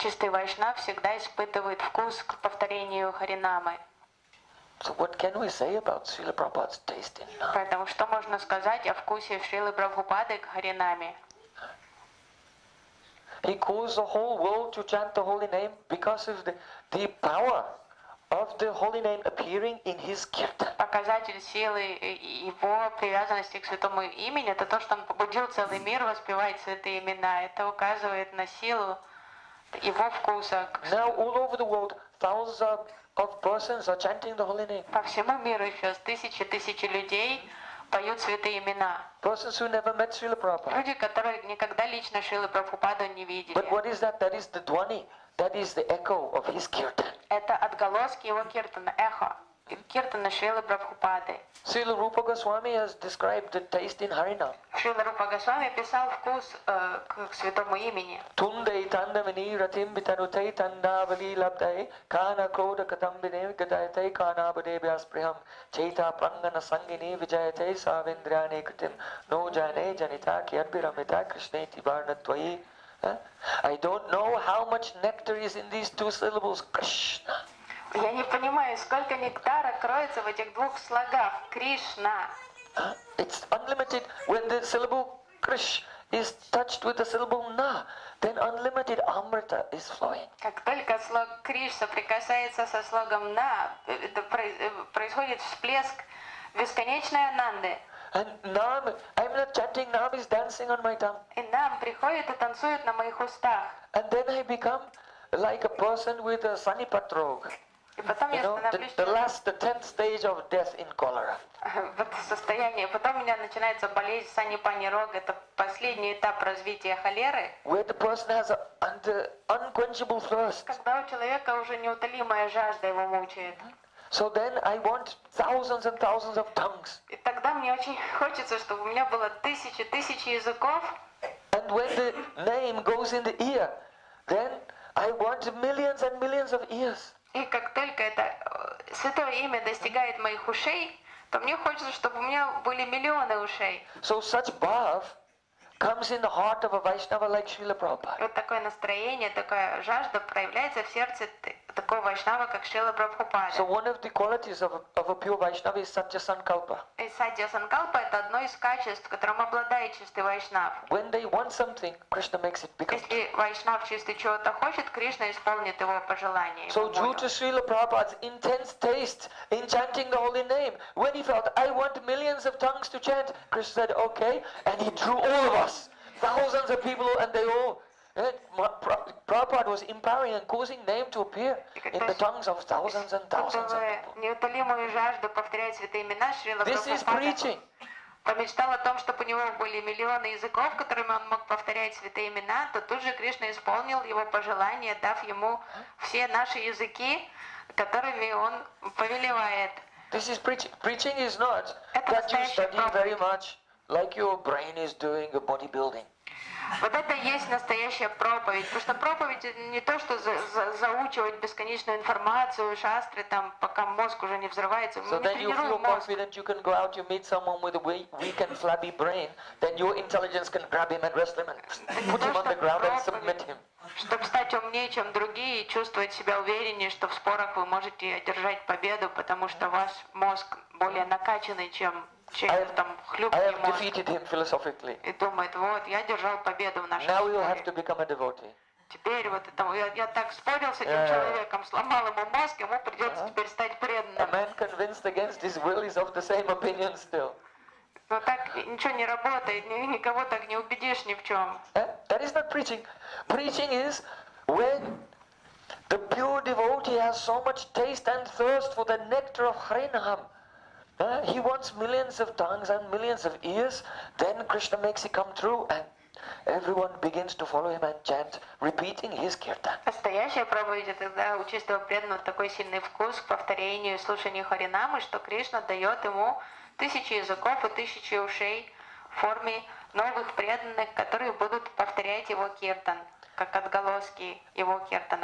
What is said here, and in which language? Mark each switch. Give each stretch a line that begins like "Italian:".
Russian: Чистый вайшнав всегда испытывает вкус к повторению харинамы.
English: So what can we say about Srila Prabhupada's taste in Nam?
Russian: Поэтому что можно сказать о вкусе Шрилы Прабхупады к харинаме?
English: He caused the whole world to chant the holy name because of the power of the holy name appearing in his kirtan.
Russian: Показатель силы его привязанности к святому имени — это то, что он побудил целый мир воспевать святые имена. Это указывает на силу его вкуса.
English: Now all over the world, thousands of persons are chanting the holy name.
Russian: По всему миру сейчас тысячи людей поют святые имена.
English: Persons who never met Srila Prabhupada.
Russian: Люди, которые никогда лично Шрилу Прабхупаду не видели.
English: But what is that? That is the dhwani. That is the echo of his kirtan.
Russian: Это отголоски его киртана, эхо киртана Шрилы Прабхупады.
English: Srila Rupa Goswami has described the taste in Harinam.
Russian: Шрила Рупа Госвами писал вкус к святому имени.
Sanskrit: Тунде итандамини ратим битанутэ итандавали лабдай кана крода катамбине вигадайте кана абадебе асприхам чейта прангана сангини вижайте савиндриане критим но жане жанита кьярбирамита кришнети барнатвайи.
English: I don't know how much nectar is in these two syllables, Krishna.
Russian: Я не понимаю, сколько нектара кроется в этих двух слогах, Кришна.
English: It's unlimited when the syllable Krish is touched with the syllable Na, then unlimited amrita is flowing.
Russian: Как только слог Криш соприкасается со слогом На, это происходит всплеск бесконечная Ананды.
English: And Nam, I'm not chanting, Nam is dancing on my tongue.
Russian: И Нам приходит и танцует на моих устах.
English: And then I become like a person with a sunny patrog.
Russian: И потом
English: you
Russian: я
English: know,
Russian: становлюсь
English: the last, the tenth stage of death in cholera.
Russian: В это состояние. Потом у меня начинается болезнь санипанирог. Это последний этап развития холеры.
English: Where the person has an unquenchable thirst.
Russian: Когда у человека уже неутолимая жажда его мучает.
English: So then I want thousands and thousands of tongues.
Russian: И тогда мне очень хочется, чтобы у меня было тысячи, тысячи языков.
English: And when the name goes in the ear, then I want millions and millions of ears.
Russian: И как только это святое имя достигает моих ушей, то мне хочется, чтобы у меня были миллионы ушей.
English: So such bhav comes in the heart of a Vaishnava like Srila Prabhupada.
Russian: Вот такое настроение, такая жажда проявляется в сердце такого Вайшнава, как Шрила Прабхупада.
English: So one of the qualities of a pure Vaishnava is Satya Sankalpa.
Russian: И Satya Sankalpa это одно из качеств, которым обладает чистый Вайшнав.
English: When they want something, Krishna makes it become.
Russian: Если Вайшнав чистый чего-то хочет, Кришна исполнит его пожелание.
English: So due to Srila Prabhupada's intense taste in chanting the holy name, when he felt I want millions of tongues to chant, Krishna said, okay, and he drew all of us, thousands of people, and they all. Prabhupada was empowering and causing name to appear in the tongues of thousands and thousands of people.
Russian: Неутолимую жажду повторять святые имена Шрилы Прабхупады.
English: This is preaching.
Russian: Помечтал о том, чтобы у него были миллионы языков, которыми он мог повторять святые имена, то тут же Кришна исполнил его пожелание, дав ему все наши языки, которыми он повелевает.
English: This is preaching. Preaching is not that you study very much, like your brain is doing a bodybuilding.
Russian: Вот это есть настоящая проповедь. Потому что проповедь не то, что заучивать бесконечную информацию, шастры, там, пока мозг уже не взрывается.
English: So then you feel confident you can go out, you meet someone with a weak and flabby brain, then your intelligence can grab him and wrestle him and put him on the ground and submit him.
Russian: Чтобы стать умнее, чем другие, и чувствовать себя увереннее, что в спорах вы можете одержать победу, потому что ваш мозг более накачанный, чем...
English: I have defeated him philosophically.
Russian: И думает, вот, я держал победу в нашей.
English: Now you have to become a devotee.
Russian: Теперь вот это, я так спорил с этим человеком, сломал ему мозг, ему придется теперь стать преданным.
English: A man convinced against his will is of the same opinion still.
Russian: Но так ничего не работает, никого так не убедишь ни в чем.
English: That is not preaching. Preaching is when the pure devotee has so much taste and thirst for the nectar of Harinam. He wants millions of tongues and millions of ears, then Krishna makes it come true and everyone begins to follow him and chant, repeating his kirtan.
Russian: Настоящая проповедь это когда у чистого преданного такой сильный вкус к повторению и слушанию Харинамы, что Кришна дает ему тысячи языков и тысячи ушей в форме новых преданных, которые будут повторять его киртан, как отголоски его киртана.